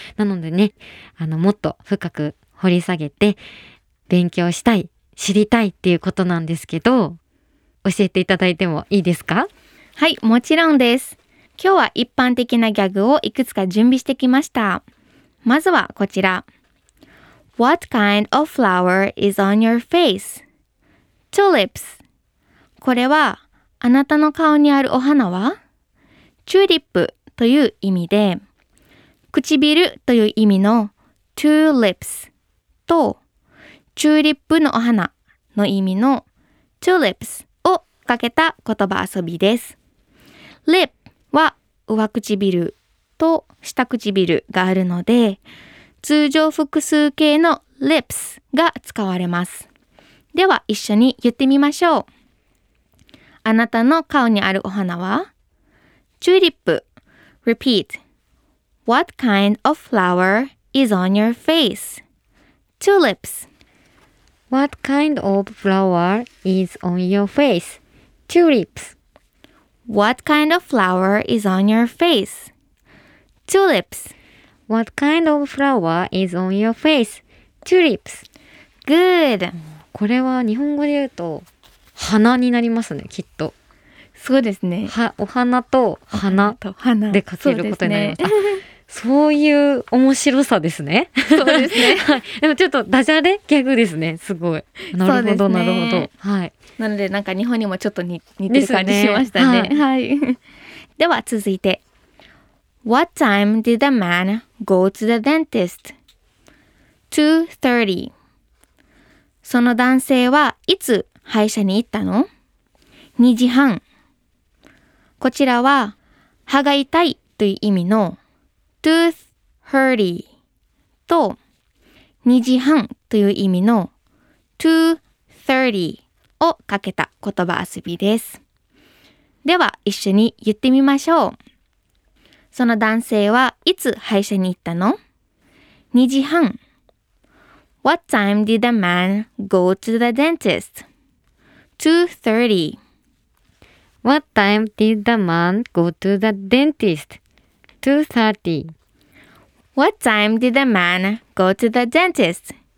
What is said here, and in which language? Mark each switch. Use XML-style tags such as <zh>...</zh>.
<ja>なのでね、あのもっと深く掘り下げて勉強したい、知りたいっていうことなんですけど、教えていただいてもいいですか？はい、もちろんです。今日は一般的なギャグをいくつか準備してきました。まずはこちら、</ja> <en>What kind of flower is on your face? Tulips。</en> <ja>これはあなたの顔にあるお花は？チューリップという意味で、唇という意味の Tulips とチューリップのお花の意味の Tulips をかけた言葉遊びです。 Lip は上唇と下唇があるので、通常複数形の Lips が使われます。では一緒に言ってみましょう。あなたの顔にあるお花はチューリップ。</ja> <en>Repeat。 What kind of flower is on your face?Tulips。 What kind of flower is on your face? Tulips. What kind of flower is on your face? Tulips. What kind of flower is on your face? Tulips. Good.</en> <ja>これは日本語で言うと花になりますね、きっと。そうですね。お花と花で書けることになります。そうですね。そういう面白さですね。そうですね。はい。でもちょっとダジャレギャグですね。すごい。なるほど、ね、なるほど。はい。なのでなんか日本にもちょっと似てる感じしましたね。ね、はい。では続いて。</ja> <en>What time did the man go to the dentist? 2:30.</en> <ja>その男性はいつ歯医者に行ったの？ 2時半。こちらは歯が痛いという意味のTooth hurty と2時半という意味の2:30 をかけた言葉遊びです。では一緒に言ってみましょう。その男性はいつ歯医者に行ったの？ 2時半。</ja> <en>What time did the man go to the dentist? 2:30. What time did the man go to the dentist? 2:30. What time did the man go to the dentist?</en>